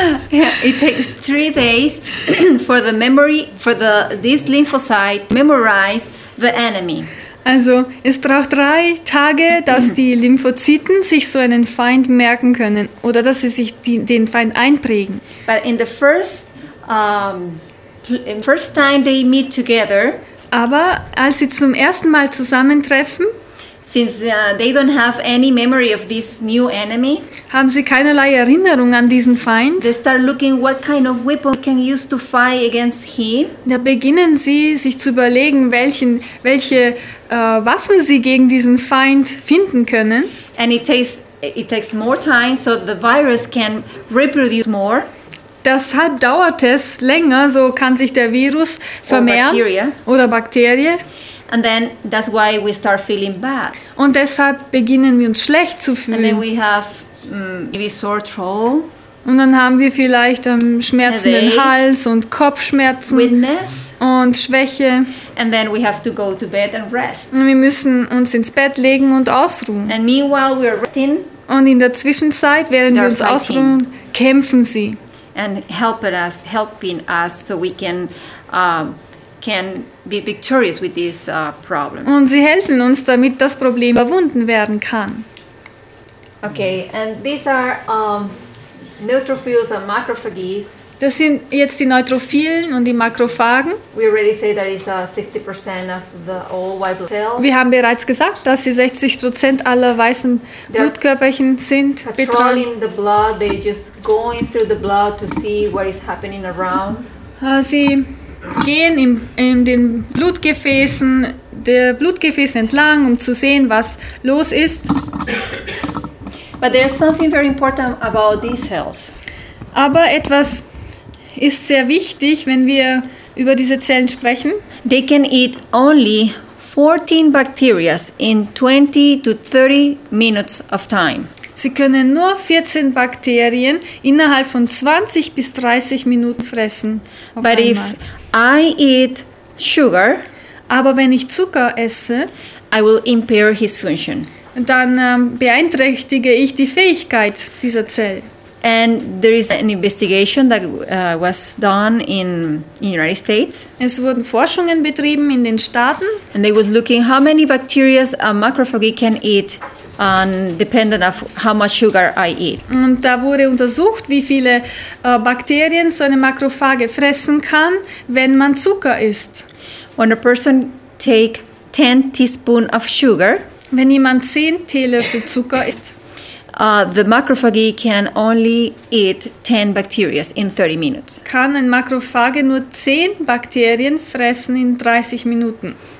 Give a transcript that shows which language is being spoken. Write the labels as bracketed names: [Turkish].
[English] Yeah, it takes 3 days for the memory, for this lymphocyte memorize the enemy. [German] Also, es braucht 3 Tage, dass die Lymphozyten sich so einen Feind merken können oder dass sie sich den Feind einprägen. [English] But in the first time they meet together. [German] Aber als sie zum ersten Mal zusammentreffen, [English] since they don't have any memory of this new enemy, [German] haben sie keinerlei Erinnerung an diesen Feind, [English] they start looking what kind of weapon can use to fight against him. [German] Da beginnen sie sich zu überlegen, welche Waffen sie gegen diesen Feind finden können. [English] And it takes more time, so the virus can reproduce more. [German] Deshalb dauert es länger, so kann sich der Virus vermehren oder Bakterien. [English] And then that's why we start feeling bad. [German] Und deshalb beginnen wir uns schlecht zu fühlen. [English] And then we have maybe sore throat. [German] Und dann haben wir vielleicht schmerzenden Hals und Kopfschmerzen. [English] Weakness. [German] Und Schwäche. [English] And then we have to go to bed and rest. [German] Und wir müssen uns ins Bett legen und ausruhen. [English] And meanwhile we are resting. [German] Und in der Zwischenzeit, während wir uns ausruhen, kämpfen sie. [English] And helping us so we can be victorious with this problem. [German] Und sie helfen uns, damit das Problem überwunden werden kann. [English] Okay, and these are neutrophils and macrophages. [German] Das sind jetzt die Neutrophilen und die Makrophagen. [English] We already say that is 60% of the all white blood cells. [German] Wir haben bereits gesagt, dass sie 60% aller weißen Blutkörperchen sind. [English] Patrolling the blood, they just going through the blood to see what is happening around. [German] Sie gehen in den Blutgefäßen, der Blutgefäße entlang, um zu sehen, was los ist. [English] But there is something very important about these cells. [German] Aber etwas ist sehr wichtig, wenn wir über diese Zellen sprechen. [English] They can eat only 14 bacteria in 20 to 30 minutes of time. [German] Sie können nur 14 Bakterien innerhalb von 20 bis 30 Minuten fressen. [English] But if I eat sugar, [German] aber wenn ich Zucker esse, [English] I will impair his function. [German] Dann beeinträchtige ich die Fähigkeit dieser Zelle. [English] And there is an investigation that was done in the United States. [German] Es wurden Forschungen betrieben in den Staaten. [English] And they were looking how many bacteria a macrophage can eat. Dependent of how much sugar I eat. [German] Und da wurde untersucht, wie viele Bakterien so eine Makrophage fressen kann, wenn man Zucker isst. [English] When a person take 10 teaspoon of sugar, [German] wenn jemand 10 Teelöffel Zucker isst, [English] the macrophage can only eat 10 bacteria in 30 minutes. [German] Kann ein Makrophage nur 10 Bakterien fressen in 30 Minuten?